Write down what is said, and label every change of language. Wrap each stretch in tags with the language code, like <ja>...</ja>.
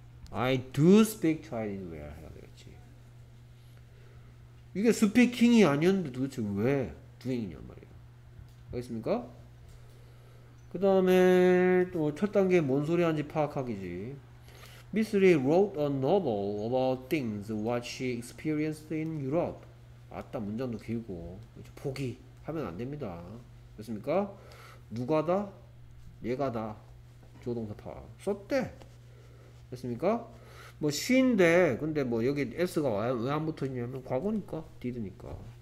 <en>I do speak Chinese well</en> <ko>해야 되겠지. 이게 speaking이 아니었는데 도대체 왜 doing이냔 말이야. 알겠습니까? 그 다음에 또 첫 단계 뭔 소리 하는지 파악하기지.</ko> <en>Miss Li wrote a novel about things what she experienced in Europe.</en> <ko>아따 문장도 길고 포기 하면 안 됩니다. 됐습니까? 누가다? 얘가다. 조동사 파악 썼대. 됐습니까? 뭐 she인데 근데 뭐 여기 s가 왜 안 붙었냐면 과거니까 did니까.</ko>